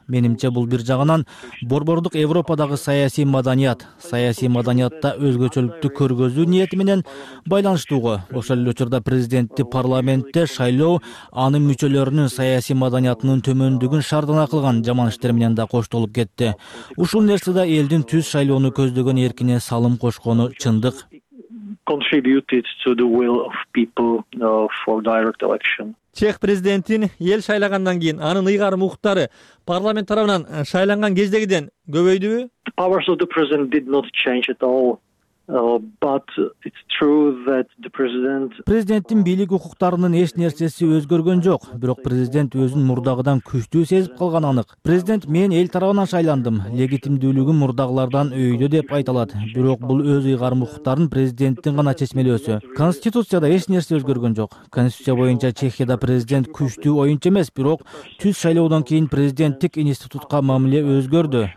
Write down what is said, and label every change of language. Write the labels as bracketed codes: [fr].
[ky] Менимче бул бир жагынан борбордук Европадагы саясий маданият, саясий маданиятта өзгөчөлүктү көргөзүү ниети менен байланыштуу. Ошол эле учурда президентти парламентте шайлоо анын мүчөлөрүнүн саясий маданиятынын төмөндүгүн шаардана кылган жаман иштер менен да коштолуп кетти. Ушул нерсе да элдин түз шайлоону көздөгөн эркине салым кошкону чындык. [en] Contributed to the will of people for direct election. [ky] Чех президентин эл шайлагандан кийин анын ыйгарым укуктары парламент тарабынан шайланган кездегиден көбөйдүбү? [en] The powers of the president did not change at all. But it's true that the president [ky] президенттин бийлик укуктарынын эч нерсеси өзгөргөн жок, бирок президент өзүн мурдагыдан күчтүү сезип калган анык. Президент мен эл тарабынан шайландым, легитимдүүлүгүм мурдагылардан өйдө деп айталат. Бирок бул өз ыйгарым укуктарын президенттин гана чечмелөөсү. Конституцияда эч нерсе өзгөргөн жок. Конституция боюнча Чехияда президент күчтүү оюнчу эмес, бирок түз шайлоодон кийин президенттик институтка мамиле өзгөрдү.